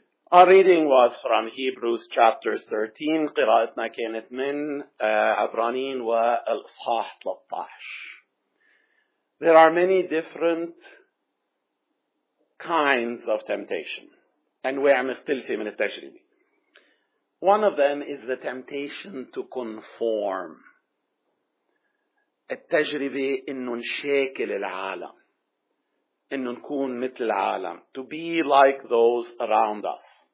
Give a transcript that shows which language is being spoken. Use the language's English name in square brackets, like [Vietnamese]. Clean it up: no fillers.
[English] Our reading was from Hebrews chapter 13, [Arabic] قراءتنا كانت من عبرانيين والإصحاح 13. [English] There are many different kinds of temptation. [Arabic] أنواع مختلفة من التجربة. [English] One of them is the temptation to conform. [Arabic] التجربة إنه نشاكل العالم. إنه نكون مثل العالم. [English] To be like those around us.